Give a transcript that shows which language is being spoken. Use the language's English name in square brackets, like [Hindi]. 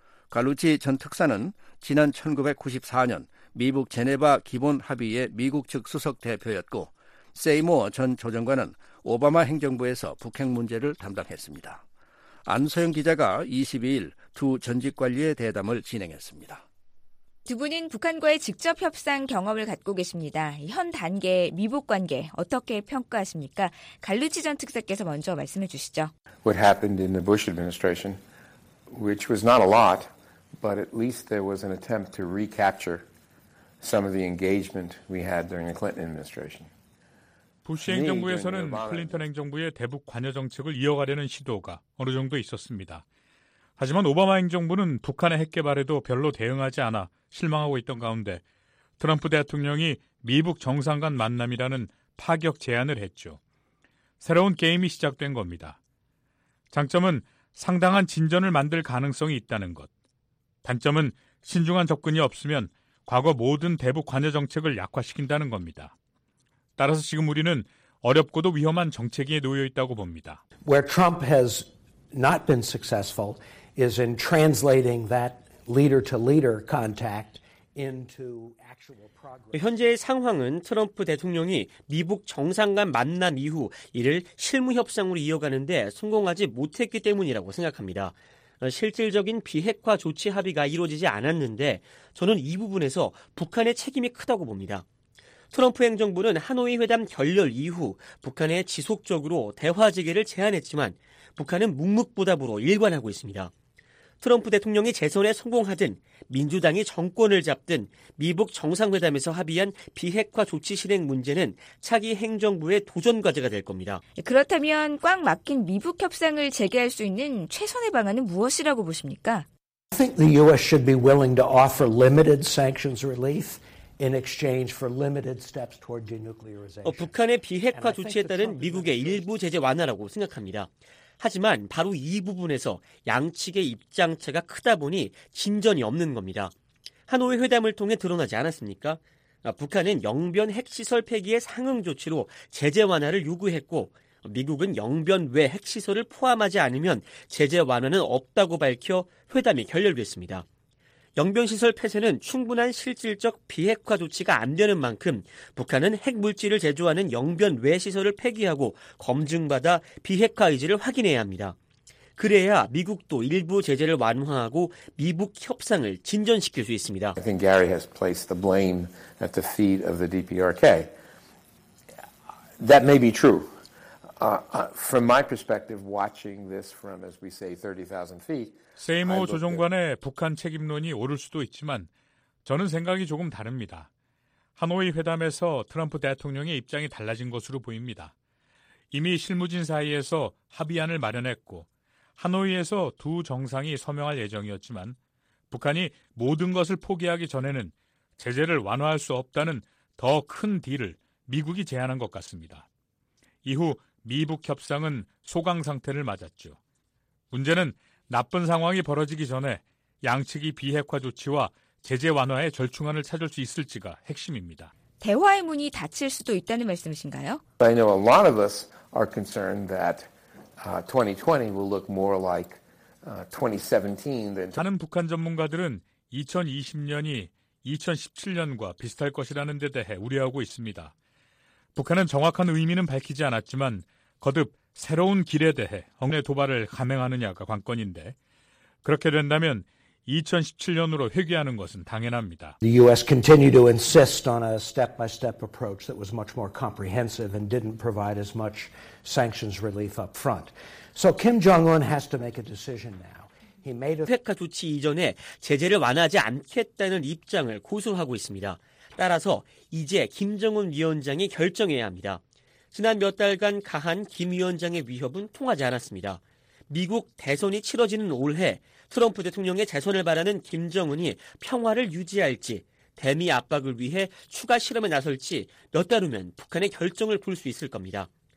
[Korean] 갈루치 전 특사는 지난 1994년 미국 제네바 기본 합의의 미국 측 수석 대표였고 세이모어 전 조정관은 오바마 행정부에서 북핵 문제를 담당했습니다. 안소영 기자가 22일 두 전직 관리의 대담을 진행했습니다. 두 분은 북한과의 직접 협상 경험을 갖고 계십니다. 현 단계 미북 관계 어떻게 평가하십니까? 갈루치 전 특사께서 먼저 말씀해 주시죠. [English] What happened in the Bush administration, which was not a lot, but at least there was an attempt to recapture some of the engagement we had during the Clinton administration. [Korean] 부시 행정부에서는 클린턴 행정부의 대북 관여 정책을 이어가려는 시도가 어느 정도 있었습니다. 하지만 오바마 행정부는 북한의 핵개발에도 별로 대응하지 않아 실망하고 있던 가운데 트럼프 대통령이 미북 정상 간 만남이라는 파격 제안을 했죠. 새로운 게임이 시작된 겁니다. 장점은 상당한 진전을 만들 가능성이 있다는 것. 단점은 신중한 접근이 없으면 과거 모든 대북 관여 정책을 약화시킨다는 겁니다. 따라서 지금 우리는 어렵고도 위험한 정책에 놓여 있다고 봅니다. [English] Where Trump has not been successful is in translating that leader-to-leader contact into actual progress. [Korean] 현재의 상황은 트럼프 대통령이 미북 정상 간 만남 이후 이를 실무 협상으로 이어가는 데 성공하지 못했기 때문이라고 생각합니다. 실질적인 비핵화 조치 합의가 이루어지지 않았는데 저는 이 부분에서 북한의 책임이 크다고 봅니다. 트럼프 행정부는 하노이 회담 결렬 이후 북한에 지속적으로 대화 재개를 제안했지만 북한은 묵묵부답으로 일관하고 있습니다. 트럼프 대통령이 재선에 성공하든 민주당이 정권을 잡든 미북 정상회담에서 합의한 비핵화 조치 실행 문제는 차기 행정부의 도전 과제가 될 겁니다. 그렇다면 꽉 막힌 미북 협상을 재개할 수 있는 최선의 방안은 무엇이라고 보십니까? [English] I think the U.S. should be willing to offer limited sanctions relief. In exchange for limited steps toward denuclearization. [Korean] 북한의 비핵화 조치에 따른 미국의 일부 제재 완화라고 생각합니다. 하지만 바로 이 부분에서 양측의 입장차가 크다 보니 진전이 없는 겁니다. 하노이 회담을 통해 드러나지 않았습니까? 북한은 영변 핵시설 폐기의 상응 조치로 제재 완화를 요구했고 미국은 영변 외 핵시설을 포함하지 않으면 제재 완화는 없다고 밝혀 회담이 결렬됐습니다. 영변시설 폐쇄는 충분한 실질적 비핵화 조치가 안 되는 만큼 북한은 핵물질을 제조하는 영변 외 시설을 폐기하고 검증받아 비핵화 의지를 확인해야 합니다. 그래야 미국도 일부 제재를 완화하고 미북 협상을 진전시킬 수 있습니다. [English] I think Gary has placed the blame at the feet of the DPRK. That may be true. From my perspective, watching this from, as we say, 30,000 feet, [Korean] 세이모 조정관의 북한 책임론이 오를 수도 있지만 저는 생각이 조금 다릅니다. 하노이 회담에서 트럼프 대통령의 입장이 달라진 것으로 보입니다. 이미 실무진 사이에서 합의안을 마련했고 하노이에서 두 정상이 서명할 예정이었지만 북한이 모든 것을 포기하기 전에는 제재를 완화할 수 없다는 더 큰 딜을 미국이 제안한 것 같습니다. 이후 미북 협상은 소강 상태를 맞았죠. 문제는 나쁜 상황이 벌어지기 전에 양측이 비핵화 조치와 제재 완화의 절충안을 찾을 수 있을지가 핵심입니다. 대화의 문이 닫힐 수도 있다는 말씀이신가요? [English] I know a lot of us are concerned that 2020 will look more like 2017 than [Korean] 많은 북한 전문가들은 2020년이 2017년과 비슷할 것이라는 데 대해 우려하고 있습니다. 북한은 정확한 의미는 밝히지 않았지만 거듭 새로운 길에 대해 억내 도발을 감행하느냐가 관건인데 그렇게 된다면 2017년으로 회귀하는 것은 당연합니다. [English] The US continued to insist on a step-by-step approach that was much more comprehensive and didn't provide as much sanctions relief up front. So Kim Jong-un has to make a decision now. He made a [Korean] 비핵화 조치 이전에 제재를 완화하지 않겠다는 입장을 고수하고 있습니다. 따라서 이제 김정은 위원장이 결정해야 합니다. 지난 몇 달간 가한 김 위원장의 위협은 통하지 않았습니다. 미국 대선이 치러지는 올해 트럼프 대통령의 재선을 바라는 김정은이 평화를 유지할지 대미 압박을 위해 추가 실험에 나설지 몇 달 후면 북한의 결정을 볼 수 있을 겁니다.